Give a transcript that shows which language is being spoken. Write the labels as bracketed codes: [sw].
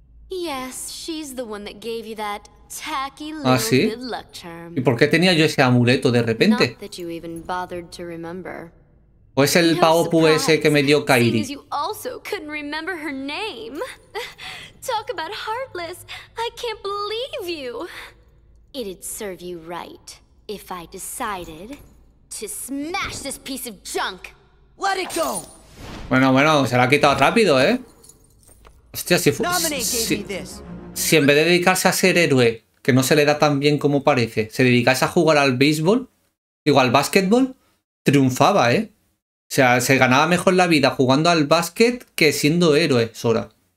[en] Yes, she's the one that gave you that tacky little good luck charm. [es] ¿Y por qué tenía yo ese amuleto de repente? [en] Not that you even bothered to remember. [es] ¿O es el Paopu ese que me dio Kairi? [en] You also couldn't remember her name. Talk about heartless. I can't believe you. It'd serve you right if I decided to smash this piece of junk. Let it go. [es] Bueno, se la ha quitado rápido, ¿eh? Hostia, si en vez de dedicarse a ser héroe, que no se le da tan bien como parece, se dedicase a jugar al béisbol, digo, al básquetbol, triunfaba, ¿eh? O sea, se ganaba mejor la vida jugando al básquet que siendo héroe, Zora.